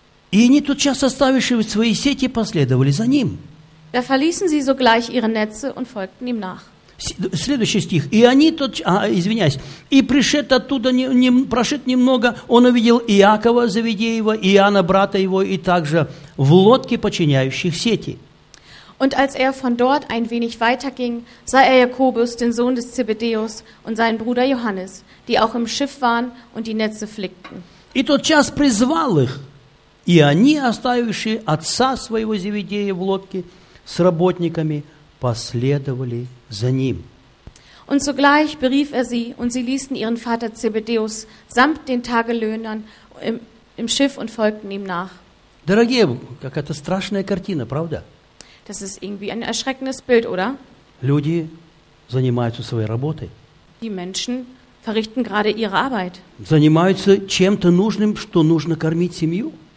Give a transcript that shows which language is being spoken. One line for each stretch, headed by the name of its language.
Russian: И они тотчас, оставивши свои сети, последовали за ним.
German: Da verließen sie sogleich ihre Netze und folgten ihm nach.
Russian: Следующий стих. И они тот, и пришед оттуда, прошед немного, он увидел Иакова Заведеева, Иоанна брата его, и также в лодке подчиняющих сети.
German: Und als er von dort ein wenig weiterging, sah er Jakobus, den Sohn des Zebedäus, und seinen Bruder Johannes, die auch im Schiff waren und die Netze flickten.
Russian: И тот час призвал их, и они, оставивши отца своего Заведея в лодке с работниками, последовали за ним.
German: Und zugleich berief er sie, und sie ließen ihren Vater Zebedäus samt den Tagelöhnern im Schiff und folgten ihm nach.
Russian: Дорогие, какая-то страшная картина, правда?
German: Das ist irgendwie ein erschreckendes Bild, oder?
Russian: Люди занимаются своей работой.
German: Die Menschen verrichten gerade ihre Arbeit.
Russian: Занимаются чем-то нужным, что нужно кормить семью.